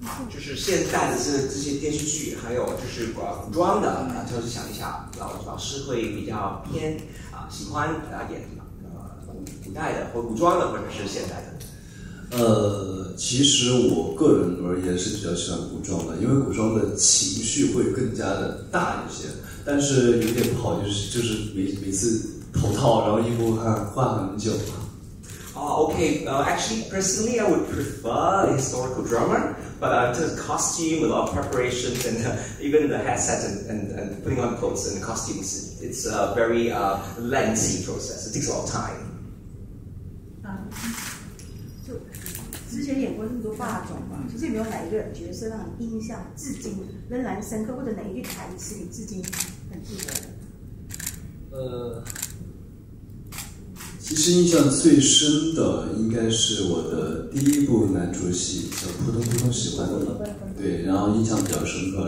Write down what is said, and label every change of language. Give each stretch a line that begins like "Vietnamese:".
Chinese: 就是现代的这些电视剧，还有就是古装的，就是想一下，老师会比较偏喜欢演古代的，或古装的，或者是现代的。其实我个人而言是比较喜欢古装的，因为古装的情绪会更加的大一些。但是有点不好，就是每次头套，然后衣服换很久。
English: Actually, personally, I would prefer historical drama, but the costume, a lot of preparations, and even the headset and putting on clothes and costumes, it's a very lengthy process. It takes a lot of time.
Chinese: 之前演过那么多霸总嘛，其实有没有哪一个角色让你印象至今仍然深刻，或者哪一句台词你至今很记得的？其实印象最深的应该是我的第一部男主戏，叫《扑通扑通喜欢你》，对，然后印象比较深刻。